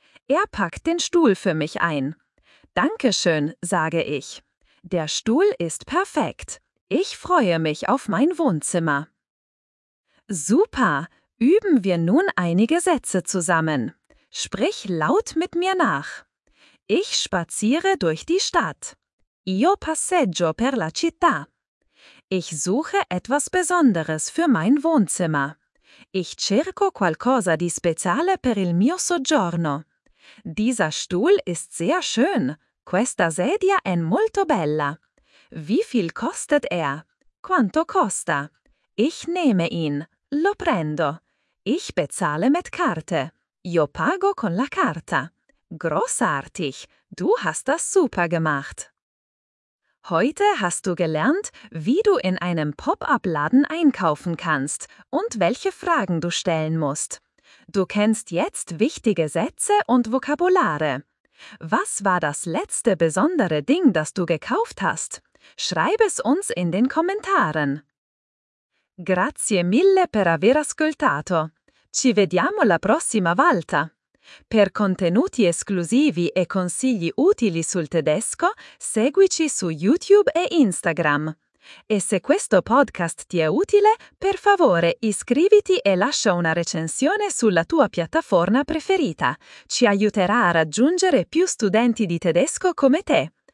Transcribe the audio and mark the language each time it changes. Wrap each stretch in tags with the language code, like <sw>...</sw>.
<de>Er packt den Stuhl für mich ein. Dankeschön, sage ich. Der Stuhl ist perfekt. Ich freue mich auf mein Wohnzimmer. Super! Üben wir nun einige Sätze zusammen. Sprich laut mit mir nach. Ich spaziere durch die Stadt.</de> <it>Io passeggio per la città.</it> <de>Ich suche etwas Besonderes für mein Wohnzimmer.</de> <it>Ich cerco qualcosa di speciale per il mio soggiorno.</it> <de>Dieser Stuhl ist sehr schön.</de> <it>Questa sedia è molto bella.</it> <de>Wie viel kostet er?</de> <it>Quanto costa?</it> <de>Ich nehme ihn.</de> <it>Lo prendo.</it> <de>Ich bezahle mit Karte.</de> <it>Io pago con la carta.</it> <de>Großartig! Du hast das super gemacht! Heute hast du gelernt, wie du in einem Pop-up-Laden einkaufen kannst und welche Fragen du stellen musst. Du kennst jetzt wichtige Sätze und Vokabulare. Was war das letzte besondere Ding, das du gekauft hast? Schreib es uns in den Kommentaren.</de> <it>Grazie mille per aver ascoltato. Ci vediamo la prossima volta. Per contenuti esclusivi e consigli utili sul tedesco, seguici su YouTube e Instagram. E se questo podcast ti è utile, per favore iscriviti e lascia una recensione sulla tua piattaforma preferita. Ci aiuterà a raggiungere più studenti di tedesco come te.</it>